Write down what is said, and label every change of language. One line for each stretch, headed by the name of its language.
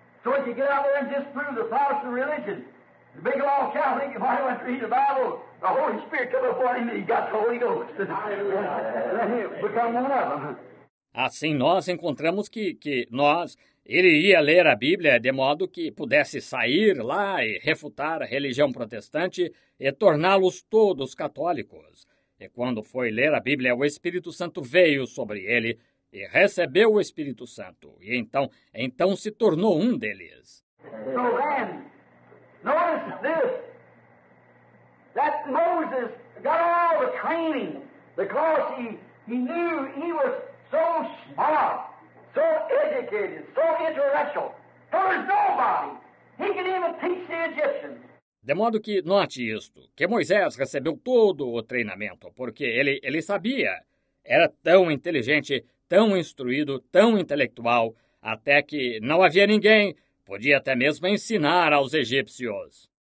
English: So he could get out there and disprove the Protestant religion. The big old Catholic, if I went to read the Bible, the Holy Spirit come upon him and he got the Holy Ghost. Let him become one of them.
Portuguese: Assim, nós encontramos que ele ia ler a Bíblia de modo que pudesse sair lá e refutar a religião protestante e torná-los todos católicos. E quando foi ler a Bíblia, o Espírito Santo veio sobre ele e recebeu o Espírito Santo. E então se tornou um deles.
English: So then, notice this, that Moses got all the training because he knew he was so smart, so educated, so intellectual. There was nobody. He could even teach the Egyptians.
Portuguese: De modo que note isto, que Moisés recebeu todo o treinamento, porque ele sabia, era tão inteligente, tão instruído, tão intelectual, até que não havia ninguém, podia até mesmo ensinar aos egípcios.